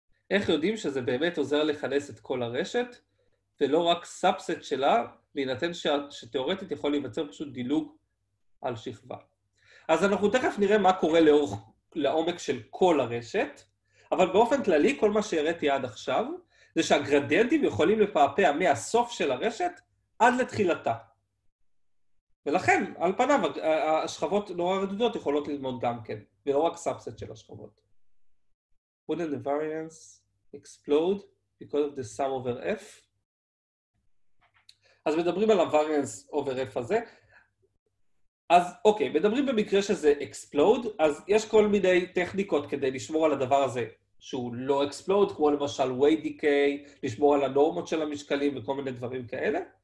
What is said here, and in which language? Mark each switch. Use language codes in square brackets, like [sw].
[he] איך יודעים שזה באמת עוזר לכנס את כל הרשת, ולא רק סאבסט שלה, להינתן שתיאורטית יכול להיווצר פשוט דילוג על שכבה. אז אנחנו תכף נראה מה קורה לעומק של כל הרשת, אבל באופן כללי, כל מה שהראיתי עד עכשיו, זה שהגרדיאנטים יכולים לפעפע מהסוף של הרשת עד לתחילתה. ולכן, על פניו, השכבות נורא רדודות יכולות ללמוד גם כן, ולא רק סאבסט של השכבות. [en] Wouldn't the variance explode because of the sum over F? [he] אז מדברים על ה-variance over F הזה. אז אוקיי, מדברים במקרה שזה explode, אז יש כל מיני טכניקות כדי לשמור על הדבר הזה שהוא לא explode, כמו למשל weight decay, לשמור על הנורמות של המשקלים וכל מיני דברים כאלה.